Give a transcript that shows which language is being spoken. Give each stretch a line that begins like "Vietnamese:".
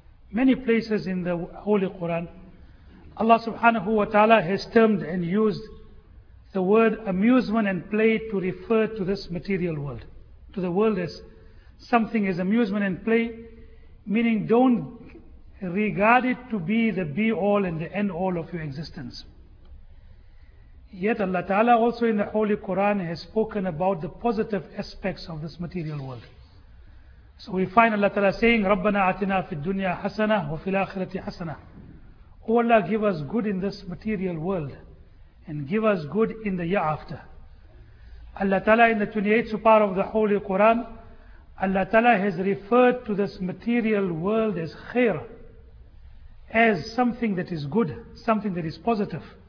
English: Many places in the Holy Quran, Allah subhanahu wa ta'ala has termed and used the word amusement and play to refer to this material world, to the world as something as amusement and play, meaning don't regard it to be the be-all and the end-all of your existence. Yet Allah Ta'ala also in the Holy Quran has spoken about the positive aspects of this material world. So we find Allah Ta'ala saying,
Arabic: رَبَّنَا أَتِنَا فِي الدُّنْيَا حَسَنَةً وَفِي الْآخِرَةِ حَسَنَةً.
English: Oh Allah, give us good in this material world and give us good in the year after. Allah Ta'ala in the 28th part of the Holy Quran, Allah Ta'ala has referred to this material world as khair, as something that is good, something that is positive.